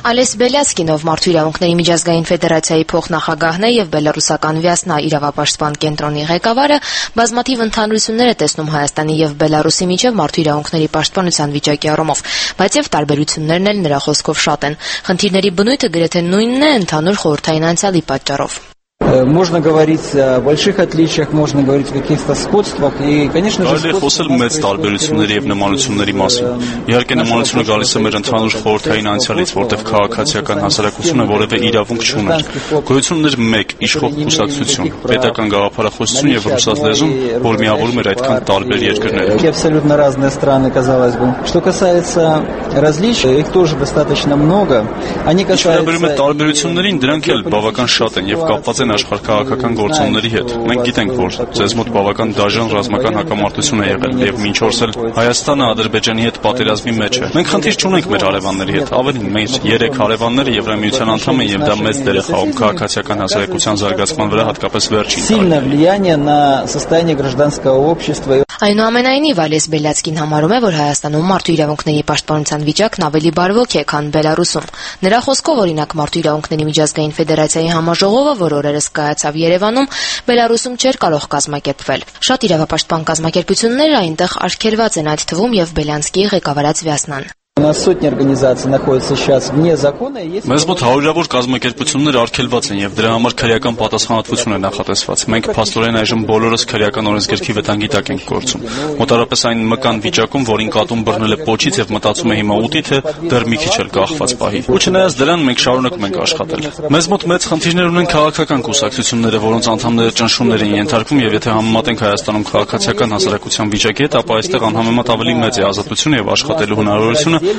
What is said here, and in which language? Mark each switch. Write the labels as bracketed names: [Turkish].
[Armenian] Ալես Բելյասկինով, մարդու իրավունքների միջազգային ֆեդերացիայի փոխնախագահն է և բելարուսական Վյասնա իրավապաշտպան կենտրոնի ղեկավարը, բազմաթիվ ընդհանրություններ է տեսնում Հայաստանի և Բելարուսի միջև մարդու իրավունքների պաշտպանության վիճակի առումով, բայց և տարբերություններն էլ նրա խոսքով շատ են։ Խնդիրների բնույթը գրեթե նույնն է ընդհանուր խորհրդային անցյալի պատճառով։ [Russian] Можно говорить о больших отличиях, можно говорить о каких-то сходствах, и, конечно же, сходства... [Armenian] Хосел мец տարբերությունների եւ նմանությունների մասին։ Իհարկե նմանությունը գալիս է մեր ընդհանուր խորհրդային անցյալից, որտեղ քաղաքացիական հասարակությունը որևէ իրավունք չուներ։ Գույցուններ 1. Իշխող քուսակցություն, պետական գաղափարախոսություն եւ ռուսաց լեզուն, որ միավորում էր այդքան տարբեր երկրները։ [Russian] Абсолютно разные страны, казалось бы. Что касается различий, их тоже достаточно много. Они касаются [Armenian] տարբերություններին, դրանք էլ բավական շատ են եւ կապված են աշխարհ քաղաքական գործոնների հետ։ Մենք գիտենք, որ ձեզ մոտ բավական դաժան ռազմական հակամարտություն է եղել, և մինչորս էլ Հայաստանը Ադրբեջանի հետ պատերազմի մեջ է։ Մենք խնդիր չունենք մեր հարևանների հետ, ավելին, մեր 3 հարևանները Եվրամիության անդամ են, և դա մեծ դեր է խաղում քաղաքացիական հասարակության զարգացման վրա, հատկապես վերջին տարիներին։ Այնուամենայնիվ, Վալես Բելյացկին համարում է, որ Հայաստանում մարդու իրավունքների պաշտպանության վիճակն ավելի բարվոք է, քան Բելարուսում։ Նրա խոսքով, օրինակ, մարդու իրավունքների միջազգային ֆեդերացիայի համաժողովը, որ օրերս կայացավ Երևանում, Բելարուսում չէր կարող կազմակերպվել։ Շատ իրավապաշտպան կազմակերպությունները այնտեղ արգելված են, այդ թվում և Բելյանցկի ղեկավարած Վյասնան։ [Russian] На сотни организаций находится сейчас вне закона, есть [Armenian] Մեզ մոտ 100-ավոր կազմակերպություններ արգելված են եւ դրա համար քրեական պատասխանատվություն է նախատեսված։ Մենք փաստորեն այժմ բոլորս քրեական օրենսգրքի վտանգի տակ ենք գործում։ Մոտավորապես այն մկան վիճակում, որին կատում բռնել է փոչից եւ մտածում է հիմա ուտի, թե դեռ մի քիչ էլ կախված պահի։ Ու չնայած դրան մենք շարունակում ենք աշխատել։ Մեզ մոտ մեծ խնդիրներ ունեն քաղաքական կուսակցությունները, որոնց անդամները ճնշումներ են ենթարկվում, եւ եթե համեմատենք Հայաստանում քաղաքացիական հասարակության վիճակի հետ, ապա այստեղ անհամեմատ ավելի մեծ է ազատությունը եւ աշխատելու հնարավորությունը։